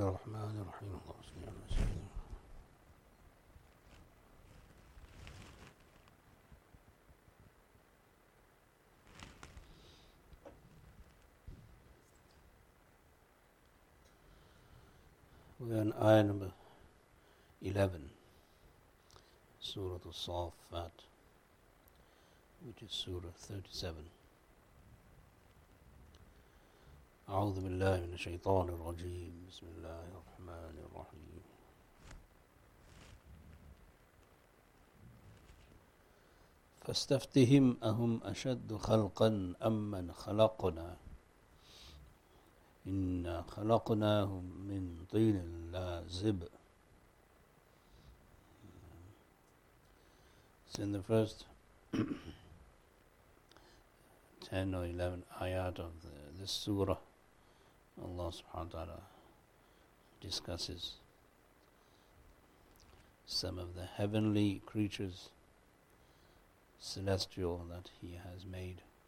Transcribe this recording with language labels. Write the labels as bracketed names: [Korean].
[Arabic] الرحمن الرحيم اللهم صل على سيدنا [English] Then ayah number 11, Surah Al-Saffat, which is Surah 37. [Arabic] أعوذ بالله من الشيطان الرجيم بسم الله الرحمن الرحيم فاستفتهم أهم أشد خلقا أم من خلقنا إنا خلقناهم من طين لازب. [English] So in the first 10 or 11 ayat of this surah, Allah subhanahu wa ta'ala discusses some of the heavenly creatures, celestial, that He has made.